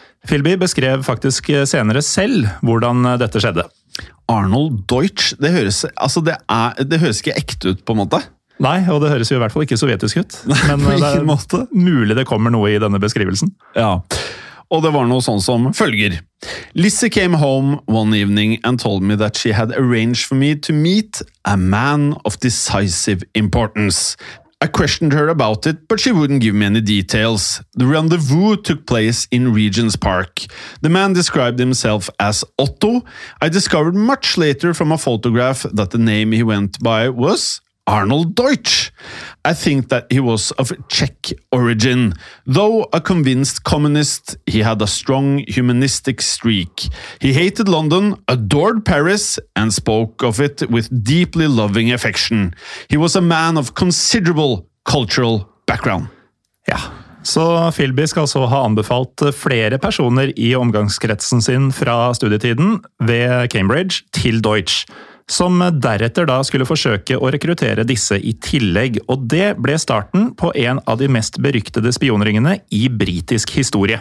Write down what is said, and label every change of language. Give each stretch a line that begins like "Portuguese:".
Norwegian: Philby beskrev faktisk senere selv hvordan dette skjedde. Arnold Deutsch, det høres, altså det høres ikke ekte ut på en måte. Nei, og det høres jo i hvert fall ikke sovjetisk ut. Nei, men på ingen måte. Mulig det kommer noe i denne beskrivelsen. Ja, og det var noe sånn som følger.
English: Lizzie came home one evening and told me that she had arranged for me to meet a man of decisive importance. I questioned her about it, but she wouldn't give me any details. The rendezvous took place in Regent's Park. The man described himself as Otto. I discovered much later from a photograph that the name he went by was Arnold Deutsch. I think that he was of Czech origin. Though a convinced communist, he had a strong humanistic streak. He hated London, adored Paris, and spoke of it with deeply loving affection. He was a man of considerable cultural background.
Norwegian: Ja, så Philby skal så ha anbefalt flere personer i omgangskretsen sin fra studietiden ved Cambridge til Deutsch, som deretter da skulle forsøke å rekruttere disse i tillegg, og det ble starten på en av de mest beryktede spionringene i britisk historie.